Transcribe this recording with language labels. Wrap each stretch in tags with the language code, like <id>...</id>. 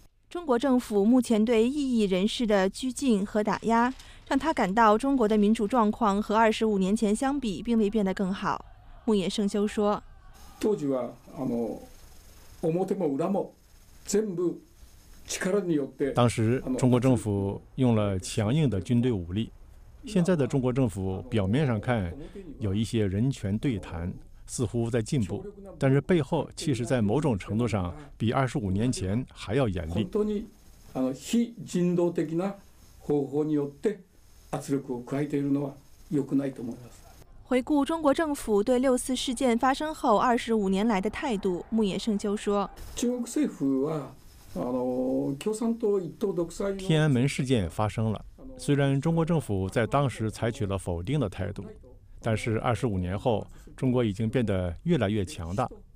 <zh>中国政府目前对异议人士的拘禁和打压让他感到中国的民主状况和二十五年前相比并未变得更好。牧野圣修说，</zh> <ja>当時は表も裏も全部力によって。</ja> <zh>当时中国政府用了强硬的军队武力。现在的中国政府表面上看有一些人权对谈，似乎在进步，但是背后其实在某种程度上比二十五年前还要严厉。</zh> <ja>本当に非人道的な方法によって圧力を加えているのは良くないと思います。</ja> <zh>回顾中国政府对六四事件发生后二十五年来的态度，牧野圣修说：“</zh> <ja>中国政府は共産党一党独裁。”</ja> <zh>天安门事件发生了，虽然中国政府在当时采取了否定的态度，但是二十五年后，中国已经变得越来越强大。</zh>